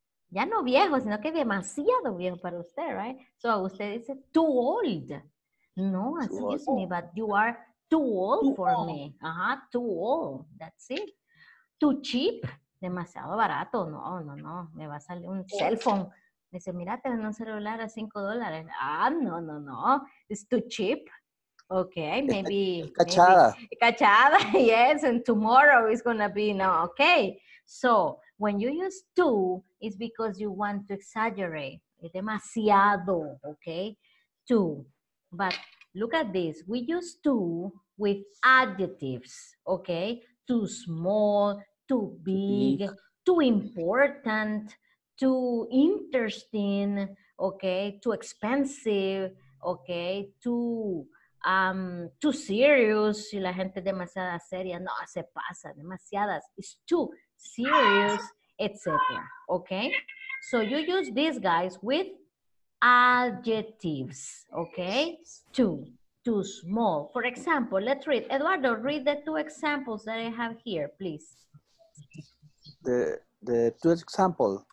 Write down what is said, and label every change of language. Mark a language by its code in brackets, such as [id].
[es] Ya no viejo, sino que demasiado viejo para usted, right? [en] So, [es] usted dice, [en] too old. No, excuse me, but you are too old for me. Uh-huh, too old, that's it. Too cheap. [es] Demasiado barato. No. Me va a salir un cell phone. Dice, mira, te dan un celular a $5. Ah, no. [en] It's too cheap. Okay, maybe. [es] Cachada. [en] Maybe. Cachada, yes. And tomorrow is going to be, no, okay. So, when you use too, it's because you want to exaggerate. [es] Demasiado, [en] okay? Too. But look at this. We use too with adjectives, okay? Too small, too big, too important, too interesting, okay? Too expensive, okay? Too serious. [es] Si la gente es demasiada seria, no, se pasa, demasiadas. [en] It's too serious, etc. Okay? So you use these guys with adjectives, okay? Too small. For example, let's read. Eduardo, read the two examples that I have here, please. The two examples.